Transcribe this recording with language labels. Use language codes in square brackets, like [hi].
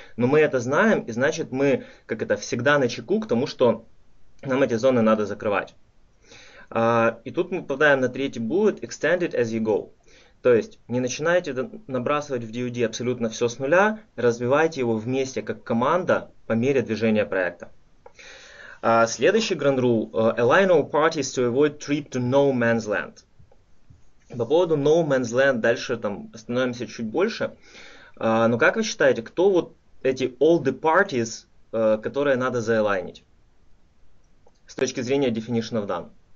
[ru] Но мы это знаем, и значит мы, как это, всегда на чеку к тому, что нам эти зоны надо закрывать. И тут мы попадаем на третий bullet, [en] extend it as you go. [ru] То есть не начинайте набрасывать в DUD абсолютно все с нуля, развивайте его вместе как команда по мере движения проекта. Следующий [en] ground rule, align all parties to avoid trip to no man's land. [ru] По поводу no man's land дальше там остановимся чуть больше. Но как вы считаете, кто вот эти all the parties, которые надо заалайнить с точки зрения definition of done?